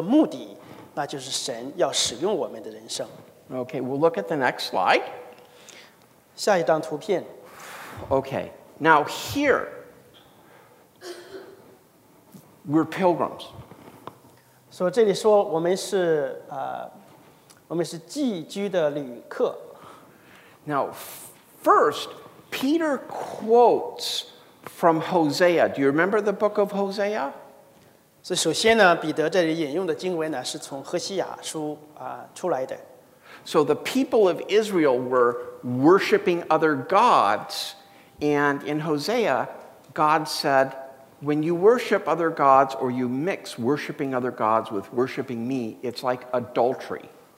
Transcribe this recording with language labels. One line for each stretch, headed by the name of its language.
Chinese: 我们在人生当中这样的搬迁和流动呢,背后是有一个目的,那就是神要使用我们的人生。
English: Okay, we'll look at the next slide.
Chinese: 下一张图片。
English: Okay, now here, we're pilgrims.
Chinese: 所以这里说我们是寄居的旅客。
English: Now, first, Peter quotes from Hosea. Do you remember the book of Hosea?
Chinese: 所以首先呢,彼得这里引用的经文呢,是从何西亚书出来的。
English: So the people of Israel were worshiping other gods, and in Hosea, God said, when you worship other gods or you mix worshiping other gods with worshiping me, it's like adultery.